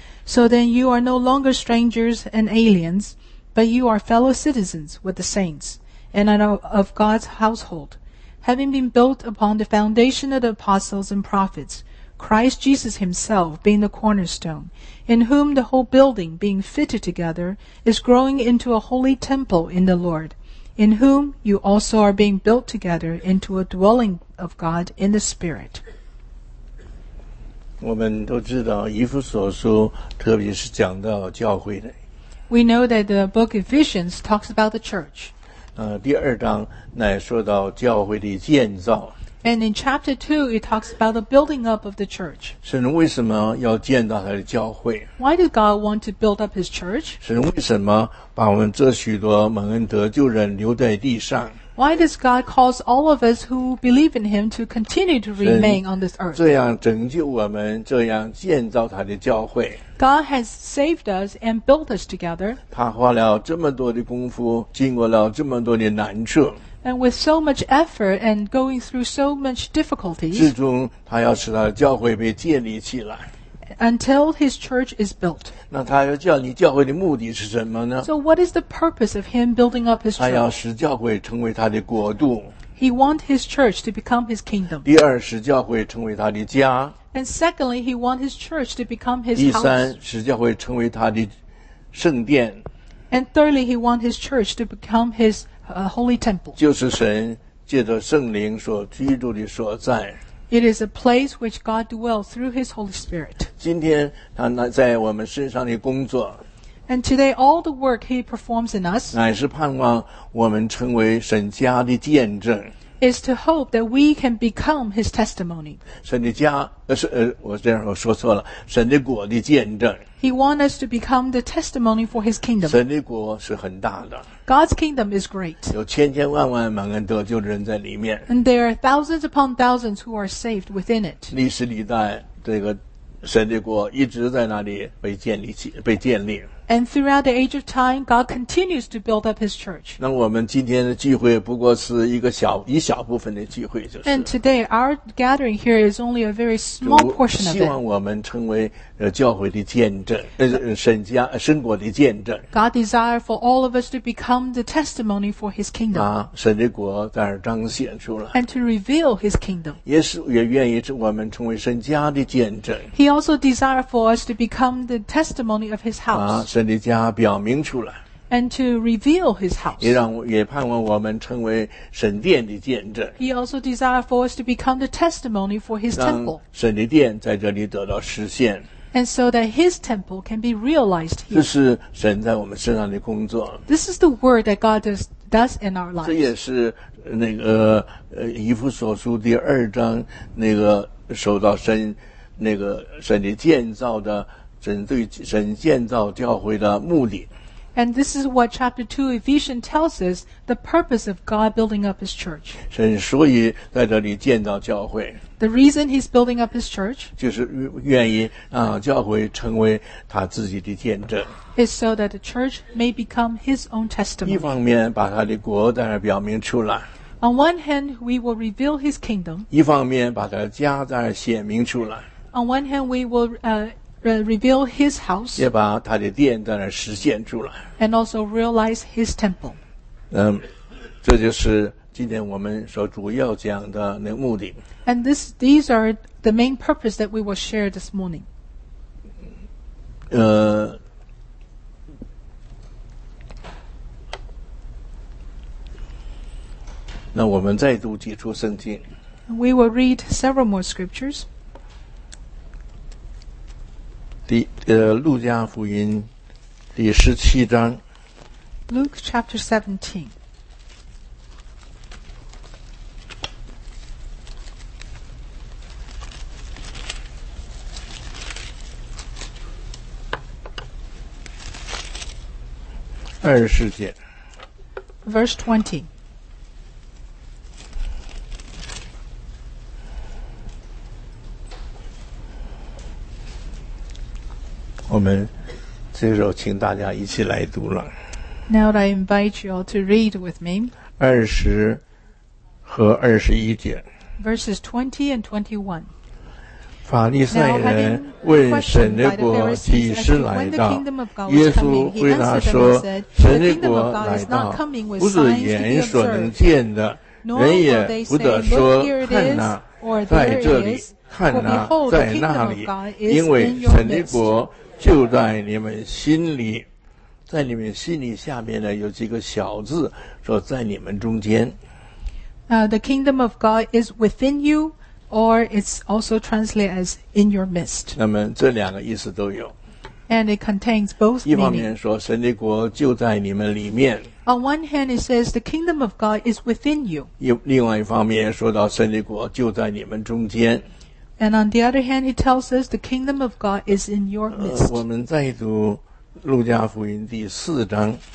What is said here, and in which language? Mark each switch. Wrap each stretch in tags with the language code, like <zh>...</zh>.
<en>So then you are no longer strangers and aliens, but you are fellow citizens with the saints and are of God's household, having been built upon the foundation of the apostles and prophets, Christ Jesus himself being the cornerstone, in whom the whole building being fitted together is growing into a holy temple in the Lord. In whom you also are being built together into a dwelling of God in the Spirit.</en> <zh>我们都知道以弗所书特别是讲到教会的。</zh> <en>We know that the book Ephesians talks about the church.</en> <zh>第二章乃说到教会的建造。</zh> <en>And in chapter 2, it talks about the building up of the church.</en> <zh>神为什么要建造他的教会?</zh> <en>Why did God want to build up his church?</en> <zh>神为什么把我们这许多蒙恩得救人留在地上?</zh> <en>Why does God cause all of us who believe in him to continue to remain on this earth?</en> <zh>这样拯救我们,这样建造他的教会。</zh> <en>God has saved us and built us together.</en> <zh>他花了这么多的功夫,经过了这么多的难处。</zh> <en>And with so much effort and going through so much difficulties,</en> <zh>至终他要使他的教会被建立起来。</zh> <en>Until his church is built.</en> <zh>那他要叫你教会的目的是什么呢?</zh> <en>So what is the purpose of him building up his church?</en> <zh>他要使教会成为他的国度。</zh> <en>He wants his church to become his kingdom.</en> <zh>第二，使教会成为他的家。</zh> <en>And secondly, he wants his church to become his house.</en> <zh>第三，使教会成为他的圣殿。</zh> <en>And thirdly, he wants his church to become his holy temple.</en> <zh>就是神借着圣灵所居住的所在。</zh> <en>It is a place which God dwells through His Holy Spirit.</en> <zh>今天他在我们身上的工作。</zh> <en>And today, all the work He performs in us</en> <zh>乃是盼望我们成为神家的见证。</zh> <en>Is to hope that we can become His testimony.</en> <zh>神的家，我这样我说错了，神的国的见证。</zh> <en>He wants us to become the testimony for His kingdom.</en> <zh>神的国是很大的。</zh> <en>God's kingdom is great.</en> <zh>有千千万万蒙恩得救的人在里面。</zh> <en>And there are thousands upon thousands who are saved within it.</en> <zh>历史历代，这个神的国一直在那里被建立。</zh> <en>And throughout the age of time, God continues to build up His church.</en> <zh>那我们今天的聚会不过是一小部分的聚会，就是。</zh> <en>And today, our gathering here is only a very small portion of it.</en> <zh>希望我们成为教会的见证，神国的见证。</zh> <en>God desires for all of us to become the testimony for His kingdom.</en> <zh>啊，神的国在这彰显出来。</zh> <en>And to reveal His kingdom.</en> <zh>耶稣也愿意我们成为神家的见证。</zh> <en>He also desires for us to become the testimony of His house.</en> <zh>神的家表明出来</zh> <en>，and to reveal His house，</en> <zh>也盼望我们成为神殿的见证。</zh> <en>He also desires for us to become the testimony for His temple，</en> <zh>让神的殿在这里得到实现。</zh> <en>And so that His temple can be realized here，</en> <zh>这是神在我们身上的工作。</zh> <en>This is the word that God does in our lives。</en> <zh>这也是那个以弗所书第二章那个受到神那个神的建造的。神对神建造教会的目的。</zh> <en>And this is what chapter 2 Ephesians tells us, the purpose of God building up His church.</en> <zh>神所以在这里建造教会。</zh> <en>The reason He's building up His church</en> <zh>就是愿意让教会成为他自己的见证。</zh> <en>Is so that the church may become His own testimony.</en> <zh>一方面把他的国在这表明出来。</zh> <en>On one hand, we will reveal His kingdom.</en> <zh>一方面把他的家在这显明出来。</zh> <en>On one hand, we will reveal His house，</en> <zh>也把他的殿在那实现出来。</zh> <en>And also realize His temple。</en> <zh>这就是今天我们所主要讲的那个目的。</zh> <en>And these are the main purpose that we will share this morning。</en> <zh>那我们再读几处圣经。</zh> <en>We will read several more scriptures。</en> <zh>路加福音第十七章</zh> <en>Luke chapter 17</en> <zh>二十节</zh> <en>Verse 20.</en> <zh>我们这时候请大家一起来读了。</zh> <en>Now I invite you all to read with me.</en> <zh>二十和二十一节。</zh> <en>Verses 20 and 21.</en> <zh>法利赛人问神的国几时来到？耶稣回答说：神的国来到，不是眼所能见的，人也不得说看哪，在这里；看哪，在那里。因为神的国就在你们心里，在你们心里下面呢有几个小字，说在你们中间。</zh> <en>The kingdom of God is within you, or it's also translated as in your midst.</en> <zh>那么这两个意思都有。</zh> <en>And it contains both.</en> <zh>一方面说神的国就在你们里面。</zh> <en>On one hand, it says the kingdom of God is within you.</en> <zh>另外一方面说到神的国就在你们中间。</zh> <en>And on the other hand, he tells us the kingdom of God is in your midst.</en> <zh>我们再读路加福音第四章。</zh>